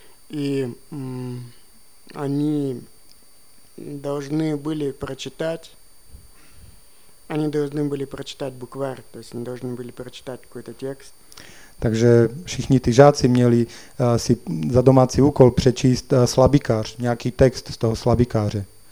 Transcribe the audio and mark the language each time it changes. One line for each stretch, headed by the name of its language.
Russian: I oni должны byli прочитать. Они должны были прочитать букварь, то есть они должны были прочитать какой-то текст.
Czech: Takže všichni ty žáci měli si za domácí úkol přečíst slabikář, nějaký text z toho slabikáře.